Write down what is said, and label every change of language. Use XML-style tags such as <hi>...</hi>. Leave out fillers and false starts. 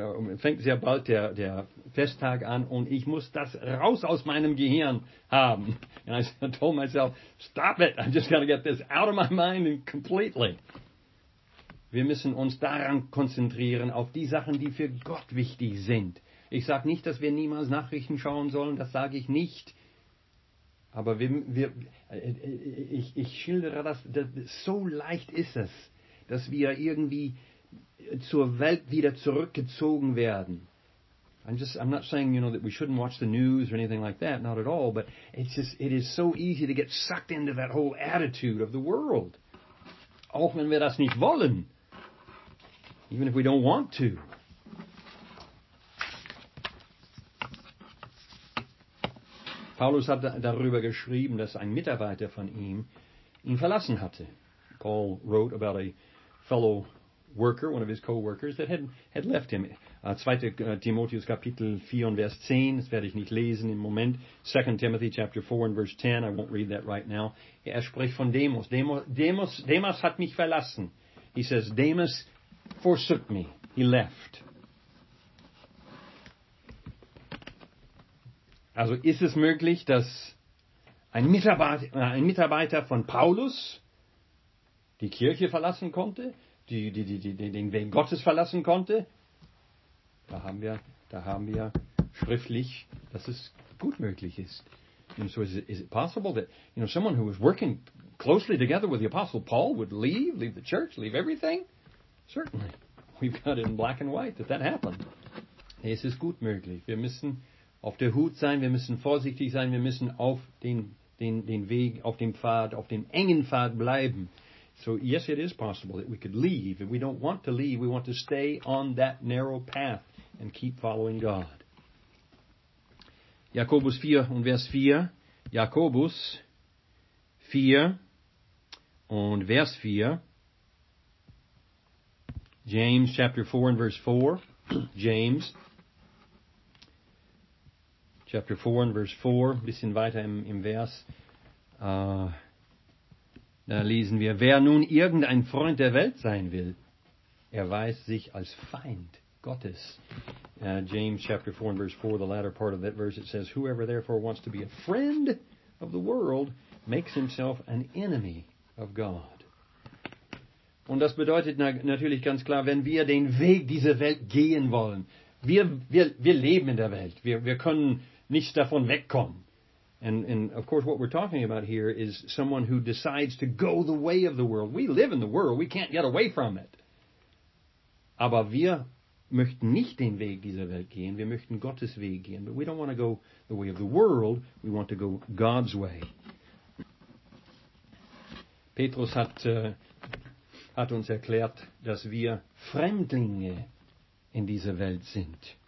<de>Jetzt fängt sehr bald der Festtag an und ich muss das raus aus meinem Gehirn haben.</de> <en>And I told myself, stop it. I'm just going to get this out of my mind and completely.</en> <de>Wir müssen uns daran konzentrieren, auf die Sachen, die für Gott wichtig sind. Ich sage nicht, dass wir niemals Nachrichten schauen sollen, das sage ich nicht. Aber ich schildere das, so leicht ist es, dass wir irgendwie zur Welt wieder zurückgezogen werden.</de> <en>I'm not saying, you know, that we shouldn't watch the news or anything like that, not at all, but it is so easy to get sucked into that whole attitude of the world.</en> <de>Auch wenn wir das nicht wollen.</de> <en>Even if we don't want to.</en> <de>Paulus hat darüber geschrieben, dass ein Mitarbeiter von ihm verlassen hatte.</de> <en>Paul wrote about a fellow worker, one of his co-workers, that had left him.</en> <de>2 Timotheus Kapitel 4 und Vers 10, das werde ich nicht lesen im Moment.</de> <en>2 Timothy chapter 4 and verse 10, I won't read that right now.</en> <de>Er spricht von Demas. Demas hat mich verlassen.</de> <en>He says, Demas forsook me. He left.</en> <de>Also ist es möglich, dass ein Mitarbeiter von Paulus die Kirche verlassen konnte, den Weg Gottes verlassen konnte? Da haben wir schriftlich, dass es gut möglich ist.</de> <en>And so is it possible that, you know, someone who was working closely together with the Apostle Paul would leave the church, leave everything? Certainly. We've got it in black and white that happened.</en> <de>Es ist gut möglich. Wir müssen auf der Hut sein, wir müssen vorsichtig sein, wir müssen auf den Weg, auf dem Pfad, auf dem engen Pfad bleiben.</de> <en>So, yes, it is possible that we could leave. And we don't want to leave. We want to stay on that narrow path and keep following God.</en> <de>Jakobus 4 und Vers 4. Jakobus 4 und Vers 4.</de> <en>James chapter 4 and verse 4. James chapter 4 and verse 4.</en> <de>Bisschen weiter im Vers. Da lesen wir, wer nun irgendein Freund der Welt sein will, erweist sich als Feind Gottes.</de> <en>James chapter 4 and verse 4, the latter part of that verse, it says, whoever therefore wants to be a friend of the world makes himself an enemy of God.</en> <de>Und das bedeutet natürlich ganz klar, wenn wir den Weg dieser Welt gehen wollen, wir leben in der Welt, wir können nicht davon wegkommen.</de> <en>And of course, what we're talking about here is someone who decides to go the way of the world. We live in the world. We can't get away from it.</en> <de>Aber wir möchten nicht den Weg dieser Welt gehen. Wir möchten Gottes Weg gehen.</de> <en>But we don't want to go the way of the world. We want to go God's way.</en> <de>Petrus hat uns erklärt, dass wir Fremdlinge in dieser Welt sind.</de>